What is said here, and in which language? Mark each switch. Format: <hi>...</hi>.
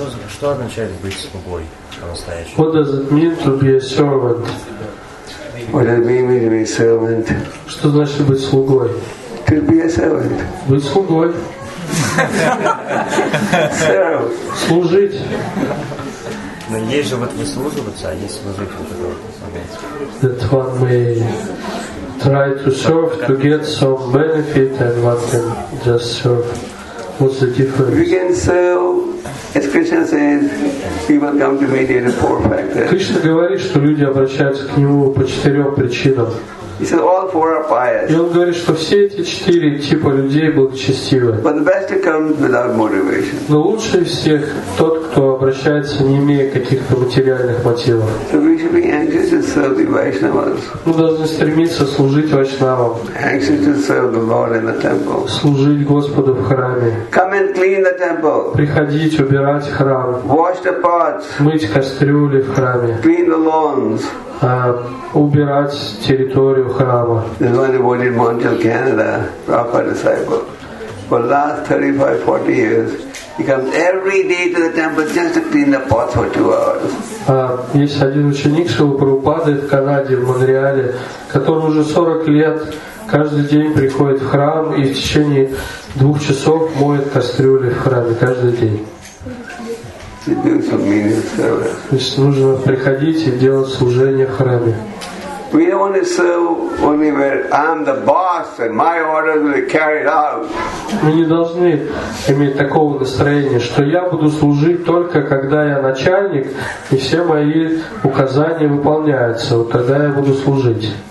<ru>Что означает быть слугой по-настоящему?</ru> <en>What does it mean to be a servant? What does it mean to be a servant?</en> <ru>Что значит быть слугой?</ru> <en>To be a servant.</en> <ru>Быть слугой.</ru> <en>Serve.</en> <ru>Служить. Но есть же вот выслуживаться, а есть служить вот это вот.</ru> <en>That one may try to serve to get some benefit and one can just serve. What's the difference? We can serve. As Krishna says, people come to me due to four factors.</en> <ru>Кришна говорит, что люди обращаются к нему по четырем причинам.</ru> <en>He says all four are pious.</en> <ru>И он говорит, что все эти четыре типа людей благочестивы.</ru> <en>But the best comes without motivation.</en> <ru>Но лучше всех тот, кто обращается, не имея каких-то материальных мотивов.</ru> <en>So we should be anxious to serve the Vaishnavas.</en> <ru>Мы должны стремиться служить Вайшнавам.</ru> <en>Anxious to serve the Lord in the temple.</en> <ru>Служить Господу в храме.</ru> <en>Come and clean the temple.</en> <ru>Приходить, убирать храм.</ru> <en>Wash the pots.</en> <ru>Мыть кастрюли в храме.</ru> <en>Clean the lawns.</en> <ru>Убирать территорию храма.</ru> <en>There's one devotee in Montreal, Canada, Prabhupada disciple. For the last 35-40 years, he comes every day to the temple just to clean the pots for 2 hours.</en> <ru>Есть один ученик Шрилы Прабхупады в Канаде, в Монреале, который уже 40 лет каждый день приходит в храм и в течение 2 часов моет кастрюли в храме каждый день. То есть нужно приходить и делать служение в храме.</ru> <en>We don't want to serve only when I'm the boss and my orders will be carried out.</en> <ru>Мы не должны иметь такого настроения, что я буду служить только когда я начальник и все мои указания выполняются. Вот тогда я буду служить.</ru>